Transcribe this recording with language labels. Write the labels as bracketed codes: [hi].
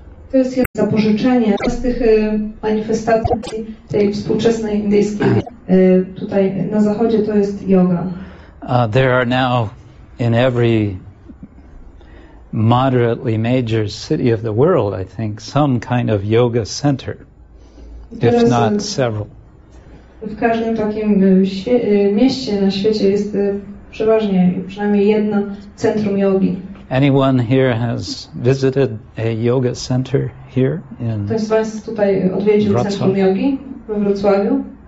[pl] To jest jedno zapożyczenie z tych manifestacji tej współczesnej indyjskiej tutaj na zachodzie, to jest yoga. [en] There are now in every moderately major city of the world, I think, some kind of yoga center, if not several. [pl] W każdym takim mieście na świecie jest przeważnie, przynajmniej jedno centrum jogi. [en] Anyone here has visited a yoga center here in Wrocław? [pl] Ktoś z Was tutaj odwiedził centrum jogi we Wrocławiu?